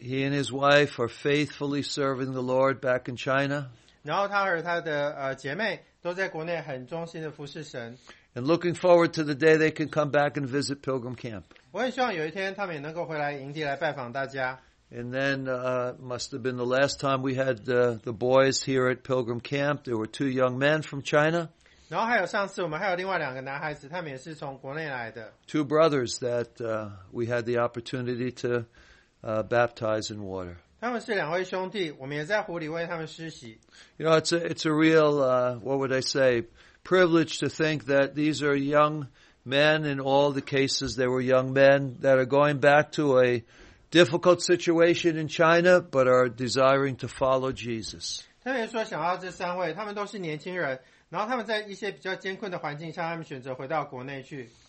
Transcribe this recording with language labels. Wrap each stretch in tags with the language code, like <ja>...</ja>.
<en>He and his wife are faithfully serving the Lord back in China.</en> <zh>然后他和他的姐妹都在国内很忠心的服侍神。</zh> <en>And looking forward to the day they can come back and visit Pilgrim Camp.</en> <zh>我很希望有一天他们也能够回来营地来拜访大家。</zh> <en>And then must have been the last time we had the boys here at Pilgrim Camp. There were two young men from China.</en> <zh>然后还有上次我们还有另外两个男孩子，他们也是从国内来的。</zh> <en>Two brothers that we had the opportunity to baptize in water.</en> <zh>他们是两位兄弟，我们也在湖里为他们施洗。</zh> <en>You know, it's a real what would I say? Privilege to think that these are young men. In all the cases, they were young men that are going back to a difficult situation in China, but are desiring to follow Jesus.</en> <zh>特别说想要这三位，他们都是年轻人。然后他们在一些比较艰困的环境下，他们选择回到国内去。</zh>